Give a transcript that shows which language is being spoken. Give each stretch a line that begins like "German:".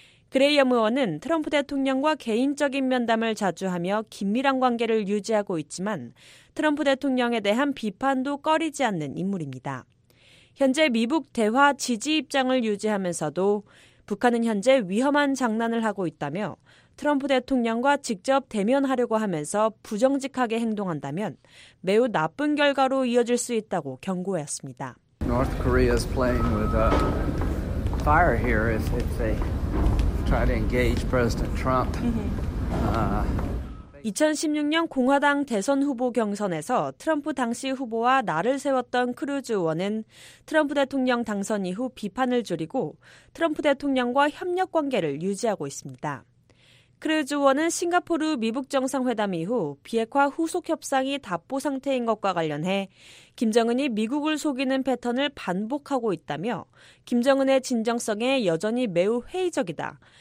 Korean: 그레이엄 의원은 트럼프 대통령과 개인적인 면담을 자주 하며 긴밀한 관계를 유지하고 있지만 트럼프 대통령에 대한 비판도 꺼리지 않는 인물입니다. 현재 미국 대화 지지 입장을 유지하면서도 북한은 현재 위험한 장난을 하고 있다며 트럼프 대통령과 직접 대면하려고 하면서 부정직하게 행동한다면 매우 나쁜 결과로 이어질 수 있다고 경고했습니다.
English: North Korea is playing with a fire here if they try to engage President Trump.
Korean: 2016년 공화당 대선 후보 경선에서 트럼프 당시 후보와 날을 세웠던 크루즈 의원은 트럼프 대통령 당선 이후 비판을 줄이고 트럼프 대통령과 협력 관계를 유지하고 있습니다. 크루즈 의원은 싱가포르 미북 정상회담 이후 비핵화 후속 협상이 답보 상태인 것과 관련해 김정은이 미국을 속이는 패턴을 반복하고 있다며 김정은의 진정성에 여전히 매우 회의적이다.